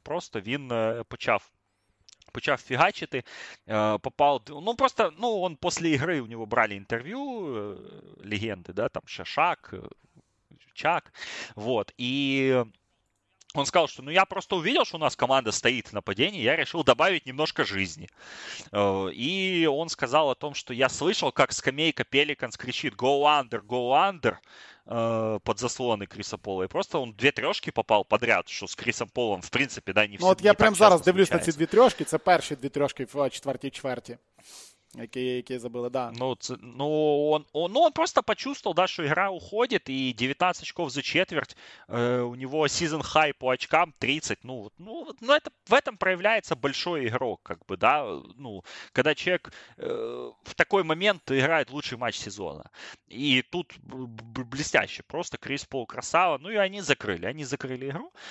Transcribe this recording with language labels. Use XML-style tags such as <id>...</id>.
<uk>Просто він почав фігачити, попав,</uk> <ru>он после игры, у него брали интервью, легенды, да, там Шашак, Чак, вот, и он сказал, что я просто увидел, что у нас команда стоит в нападении, я решил добавить немножко жизни. И он сказал о том, что я слышал, как скамейка Пеликанс кричит</ru> <en>«Go under, go under!»</en> <ru>под заслоны Криса Пола. И просто он две трешки попал подряд,</ru> <uk>що з Крісом Полом, в принципі,</uk> <ru>да, не все.</ru> <uk>Ну, от я прям зараз дивлюсь случається. На ці дві трешки. Це перші дві трешки в четвертій чверті. Які забили, да.</uk> <ru>Ну, це, ну, он просто почувствовал, да,</ru> <uk>що гра уходить,</uk> <ru>і 19 очков за четверть, у него сезон хай по очкам 30, ну это, в этом проявляется большой игрок, как бы, да, ну, когда человек в такой момент играет лучший матч сезона, и тут блестяще, просто Крис Пол красава, ну, и они закрыли игру.</ru>